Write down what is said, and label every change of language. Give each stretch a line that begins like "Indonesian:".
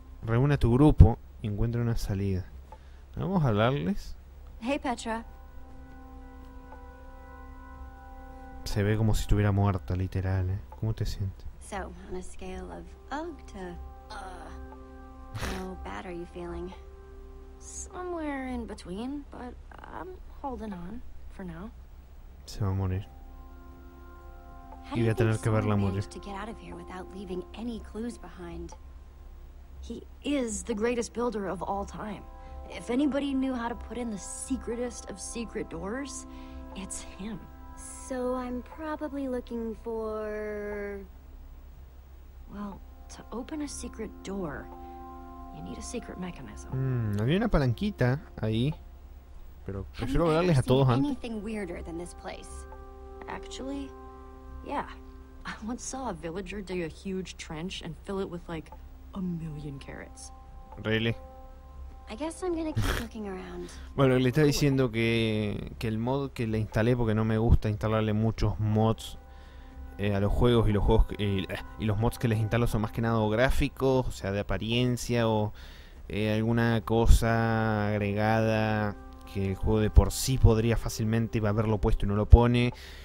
Spanish: Reúne a tu grupo y encuentra una salida. Vamos a hablarles.
English: Hey, Petra.
Spanish: Se ve como si estuviera muerta, literal, ¿eh? ¿Cómo te sientes?
English: So, on a scale of ugh to how bad are you feeling? Somewhere in between, but I'm holding on for now.
Spanish: Se va a morir.
English: How do you think Soren managed to get out of here without leaving any clues behind? He is the greatest builder of all time. If anybody knew how to put in the secretest of secret doors, it's him. So I'm probably looking for... Well, to open a secret door, you need a secret mechanism.
Spanish: Había una palanquita ahí, pero prefiero darles a todos antes.
English: Anything weirder than this place? Actually, yeah. I once saw a villager dig a huge trench and fill it with like a million carrots. Really? I guess I'm gonna keep looking around.
Spanish: Bueno, le está diciendo que el mod que le instalé, porque no me gusta instalarle muchos mods a los juegos, y los juegos que, y los mods que les instalo son más que nada gráficos, o sea, de apariencia o alguna cosa agregada que el juego de por sí podría fácilmente haberlo puesto y no lo pone.